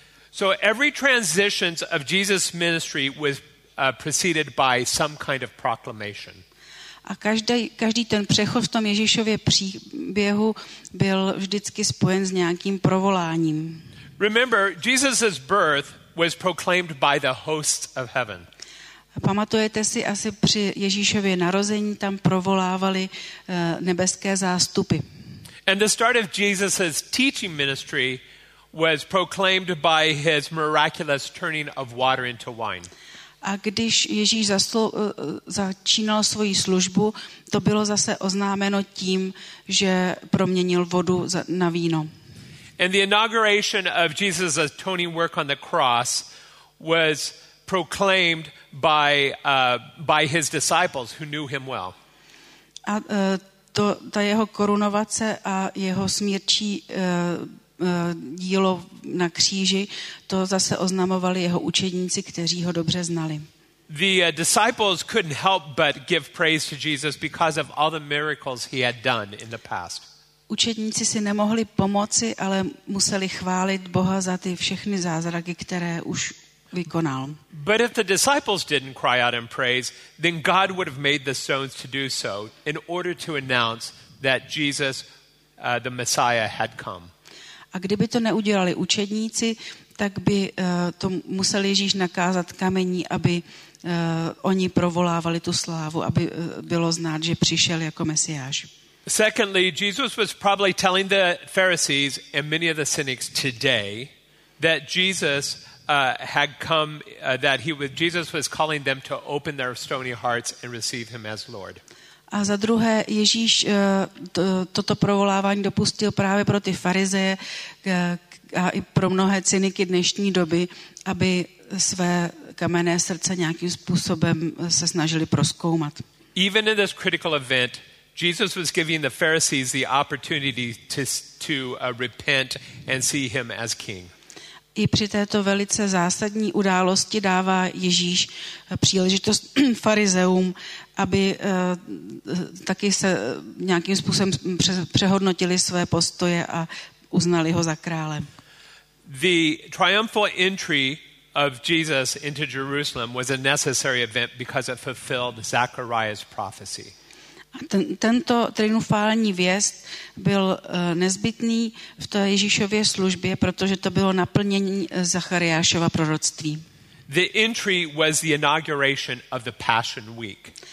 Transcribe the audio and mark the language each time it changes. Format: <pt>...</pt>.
<en>So every transition of Jesus' ministry was preceded by some kind of proclamation.</en> <cs>A každý ten přechod v tom Ježíšově příběhu byl vždycky spojen s nějakým provoláním.</cs> <en>Remember, Jesus's birth was proclaimed by the hosts of heaven.</en> <cs>Pamatujete si, asi při Ježíšově narození tam provolávali nebeské zástupy.</cs> <en>And the start of Jesus's teaching ministry was proclaimed by his miraculous turning of water into wine.</en> <cs>A když Ježíš začínal svoji službu, to bylo zase oznámeno tím, že proměnil vodu na víno.</cs> <en>And the inauguration of Jesus' atoning work on the cross was proclaimed by his disciples who knew him well.</en> <cs>A ta jeho korunovace a jeho smírčí dílo na kříži, to zase oznamovali jeho učedníci, kteří ho dobře znali.</cs> <en>The disciples couldn't help but give praise to Jesus because of all the miracles he had done in the past.</en> <cs>Učedníci si nemohli pomoci, ale museli chválit Boha za ty všechny zázraky, které už vykonal.</cs> <en>But if the disciples didn't cry out in praise, then God would have made the stones to do so in order to announce that Jesus, the Messiah, had come.</en> <cs>A kdyby to neudělali učedníci, tak by to musel Ježíš nakázat kamení, aby oni provolávali tu slávu, aby bylo znát, že přišel jako Mesiáš.</cs> <en>Secondly, Jesus was probably telling the Pharisees and many of the cynics today that Jesus had come, that Jesus was calling them to open their stony hearts and receive him as Lord.</en> <cs>A za druhé, Ježíš toto provolávání dopustil právě pro ty farizeje a i pro mnohé cyniky dnešní doby, aby své kamenné srdce nějakým způsobem se snažili prozkoumat.</cs> <en>Even in this critical event, Jesus was giving the Pharisees the opportunity to repent and see him as king.</en> <cs>I při této velice zásadní události dává Ježíš příležitost farizeům, aby taky se nějakým způsobem přehodnotili své postoje a uznali ho za krále.</cs> <en>The triumphal entry of Jesus into Jerusalem was a necessary event because it fulfilled Zachariah's prophecy.</en> <cs>Tento triumfální vjezd byl nezbytný v té Ježíšově službě, protože to bylo naplnění Zachariášova proroctví.</cs> <en>The entry was the inauguration of the Passion Week.</en>